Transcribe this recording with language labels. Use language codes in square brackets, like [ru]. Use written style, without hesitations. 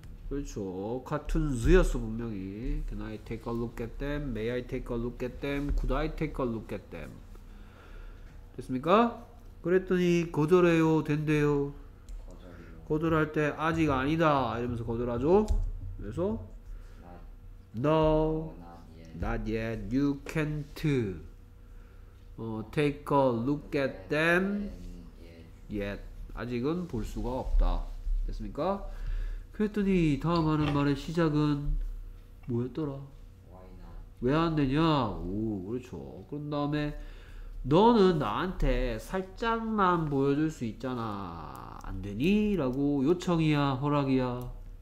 [ko] 그렇죠. 카툰즈였어 분명히. [en] Can I take a look at them? May I take a look at them? Could I take a look at them? [ko] 됐습니까? 그랬더니 거절해요. 된대요. 거절할 때 아직 아니다 이러면서 거절하죠. 그래서 [en] not yet. You can't take a look at them yet. [ko] 아직은 볼 수가 없다. 됐습니까? 그랬더니 다음 하는 말의 시작은 뭐였더라? [en] Why not? [ko] 왜 안 되냐? 오, 그렇죠. 그런 다음에 너는 나한테 살짝만 보여줄 수 있잖아. 안 되니? 라고 요청이야, 허락이야.